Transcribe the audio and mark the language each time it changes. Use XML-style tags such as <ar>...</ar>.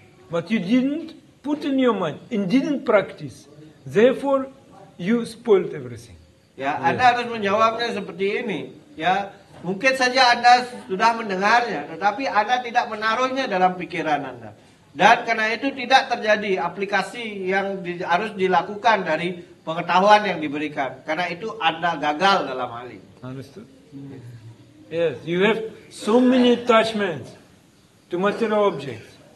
<en>But you didn't put in your mind and didn't practice. Therefore, you spoiled everything.</en> <id>Ya, yes. Anda harus menjawabnya seperti ini. Ya, mungkin saja Anda sudah mendengarnya, tetapi Anda tidak menaruhnya dalam pikiran Anda. Dan karena itu tidak terjadi aplikasi yang harus dilakukan dari pengetahuan yang diberikan. Karena itu Anda gagal dalam hal ini.</id> <en>Understood? Yes, you have so many attachments to material objects.</en>